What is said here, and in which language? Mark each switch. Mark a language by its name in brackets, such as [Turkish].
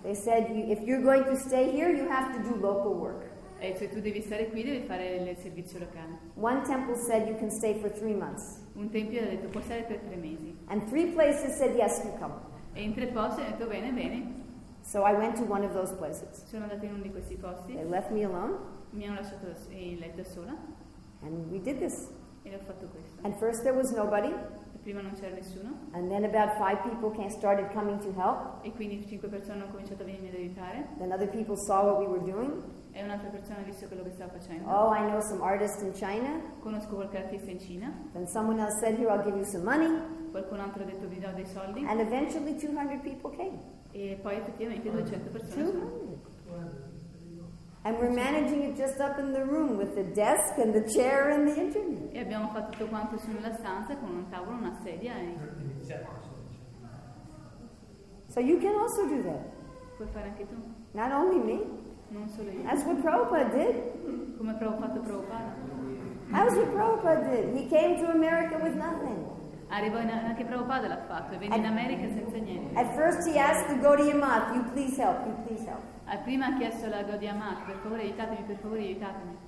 [English] They said if you're going to stay here, you have to do local work. [Italian] E se tu devi stare qui, devi fare il servizio locale. [English] One temple said you can stay for 3 months. [Italian] Un tempio ha detto puoi stare per 3 mesi. [English] And 3 places said yes, you come. [Italian] E in 3 posti ha detto bene, bene. [English] So I went to one of those places. [Italian] Sono andata in uno di questi posti. [English] They left me alone. [Italian] Mi hanno lasciato in letto sola. [English] And we did this. [Italian] E ho fatto questo. [English] And first there was nobody. [Italian] E prima non c'era nessuno. [English] And then about 5 people started coming to help. [Italian] E quindi 5 persone hanno cominciato a venire ad aiutare. [English] Then other people saw what we were doing. [Italian] E un'altra persona ha visto quello che stavo facendo. [English] Oh, I know some artists in China. [Italian] Conosco qualche artista in Cina. [English] Then someone else said, here, I'll give you some money. [Italian] Qualcun altro ha detto vi do dei soldi. [English] And eventually 200 people came. [Italian] E poi effettivamente 200 persone. [English] 200. And we're managing it just up in the room with the desk and the chair and the internet. [Italian] E abbiamo fatto tutto quanto sulla stanza con un tavolo, una sedia e. [English] So you can also do that. [Italian] Puoi fare anche tu. [English] Not only me. [Italian] Non solo io. [English] That's what Prabhupada did. [Italian] Come ha fatto Prabhupada. [English] That's what Prabhupada did. He came to America with nothing. [Italian] Arrivò anche Prabhupada l'ha fatto. Venne in America senza niente. [English] At first he asked the Gaudiya Math, "You please help. You please help." [Italian] Prima ha chiesto la Gaudiya Math, per favore aiutatemi, per favore aiutatemi.